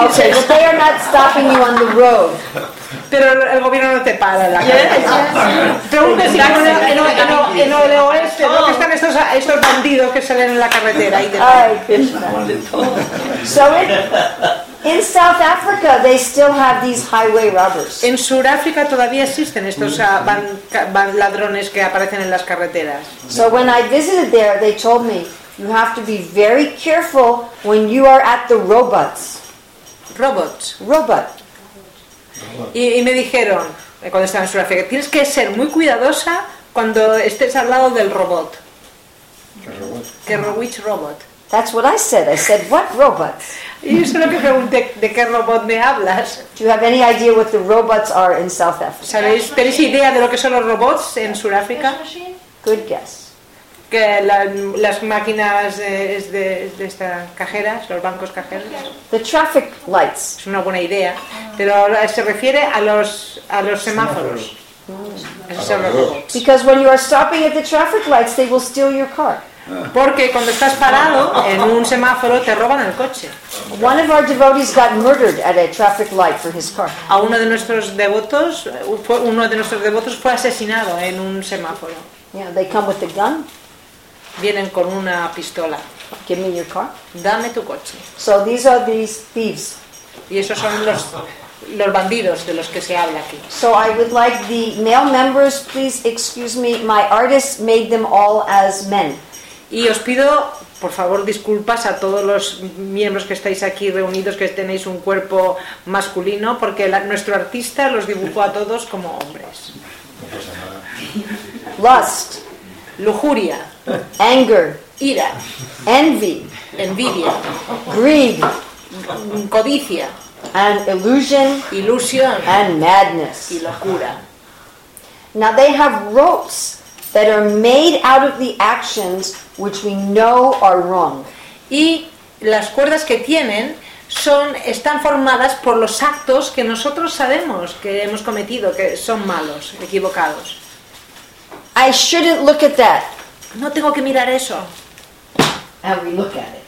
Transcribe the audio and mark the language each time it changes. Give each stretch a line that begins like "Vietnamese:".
English: Okay, but they are not stopping you on the road.
Spanish: Pero el gobierno no te para la carretera.
English: Yes, yes, yes.
Spanish: Pregunta si en el oeste, ¿dónde están estos bandidos que salen en la carretera?
English: Ay, so in South Africa they still have these highway robbers.
Spanish: En Sudáfrica todavía existen estos ladrones que aparecen en las carreteras.
English: So when I visited there they told me you have to be very careful when you are at the robots. Robots. Robot.
Spanish: Y me dijeron, cuando estaba en Sudáfrica, tienes que ser muy cuidadosa cuando estés al lado del robot. ¿Qué robot? ¿Qué robot?
English: Which robot? That's what I said. I said, what robot?
Spanish: Y eso es lo que pregunté, ¿de qué robot me hablas?
English: Do you have any idea what the robots are in South Africa?
Spanish: ¿Sabéis, tenéis idea de lo que son los robots en Sudáfrica?
English: Good guess.
Spanish: Que las máquinas de estas cajeras, los bancos cajeros.
English: The traffic lights.
Spanish: Es una buena idea. Pero se refiere a los semáforos.
English: Because when you are stopping at the traffic lights, they will steal your car.
Spanish: Porque cuando estás parado en un semáforo te roban el coche.
English: One of our devotees got murdered at a traffic light for his car.
Spanish: A uno de nuestros devotos, fue asesinado en un semáforo.
English: Yeah, they come with a gun.
Spanish: Vienen con una pistola.
English: Give me your car.
Spanish: Dame tu coche.
English: So these are these thieves.
Spanish: Y esos son los bandidos de los que se habla aquí.
English: So I would like the male members, please excuse me, my artists made them all as men.
Spanish: Y os pido, por favor, disculpas a todos los miembros que estáis aquí reunidos, que tenéis un cuerpo masculino, porque nuestro artista los dibujó a todos como hombres.
English: Lust.
Spanish: Lujuria.
English: Anger.
Spanish: Ira.
English: Envy.
Spanish: Envidia.
English: Greed.
Spanish: Codicia.
English: And illusion.
Spanish: Ilusión.
English: And madness.
Spanish: Y locura.
English: Now they have ropes that are made out of the actions which we know are wrong.
Spanish: Y las cuerdas que tienen están formadas por los actos que nosotros sabemos que hemos cometido, que son malos, equivocados.
English: I shouldn't look at that.
Spanish: No tengo que mirar eso.
English: And we look at it.